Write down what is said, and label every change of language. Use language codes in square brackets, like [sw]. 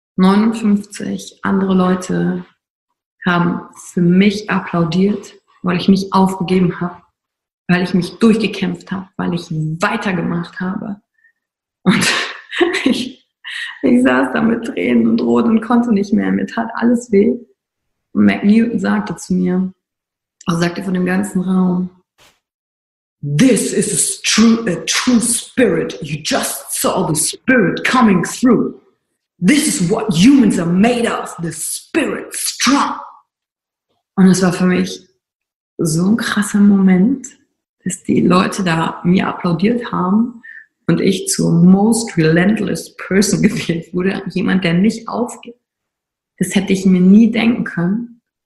[de] 59 andere Leute haben für mich applaudiert, weil ich nicht aufgegeben habe, weil ich mich durchgekämpft habe, weil ich weitergemacht habe. Und ich saß da mit Tränen und Rot und konnte nicht mehr. Mir tat alles weh. Und Mac Newton sagte zu mir, sagte von dem ganzen Raum, [en] This is a true spirit. You just saw the spirit coming through. This is what humans are made of. The spirit strong. [de] Und es war für mich so ein krasser Moment, dass die Leute da mir applaudiert haben und ich zur [en] most relentless person [de] gewählt wurde. Jemand, der nicht aufgibt. Das hätte ich mir nie denken können.